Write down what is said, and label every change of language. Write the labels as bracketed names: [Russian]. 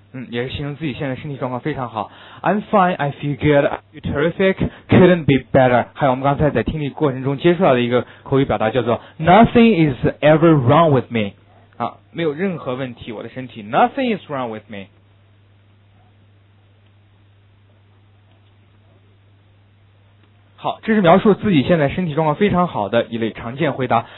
[Chinese] 也是形容自己现在身体状况非常好。 [English] I'm fine, I feel good, I feel terrific, couldn't be better. [Chinese] 还有我们刚才在听力过程中接触到的一个口语表达叫做 Nothing is ever wrong with me. 啊，没有任何问题，我的身体 Nothing is wrong with me. 好，这是描述自己现在身体状况非常好的一类常见回答。